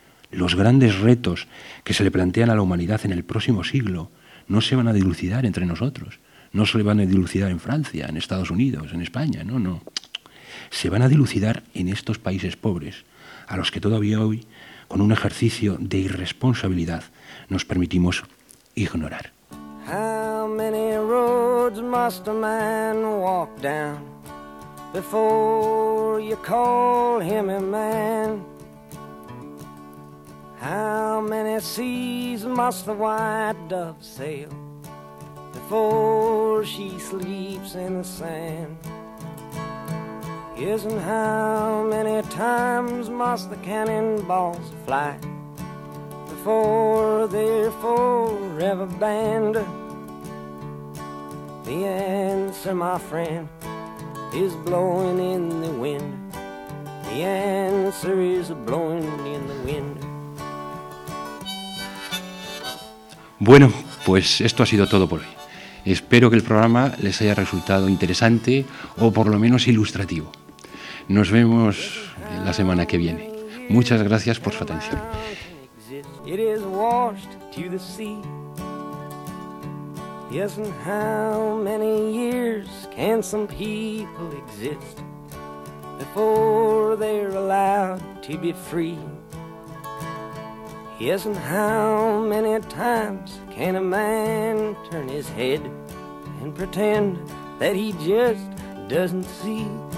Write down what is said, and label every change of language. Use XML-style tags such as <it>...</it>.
<es>Los grandes retos que se le plantean a la humanidad en el próximo siglo no se van a dilucidar entre nosotros, no se le van a dilucidar en Francia, en Estados Unidos, en España, no, no. Se van a dilucidar en estos países pobres, a los que todavía hoy, con un ejercicio de irresponsabilidad, nos permitimos ignorar.</es> <en>How many roads must a man walk down before you call him a man? How many seas must the white dove sail before she sleeps in the sand? Isn't how many times must the cannonballs fly before they're forever banned? The answer, my friend, is blowing in the wind. The answer is blowing in the wind.</en> <es>Bueno, pues esto ha sido todo por hoy. Espero que el programa les haya resultado interesante o por lo menos ilustrativo. Nos vemos la semana que viene. Muchas gracias por su atención.</es> <en>It is washed to the sea. Yes, and how many years can some people exist before they're allowed to be free? Yes, and how many times can a man turn his head and pretend that he just doesn't see?</en>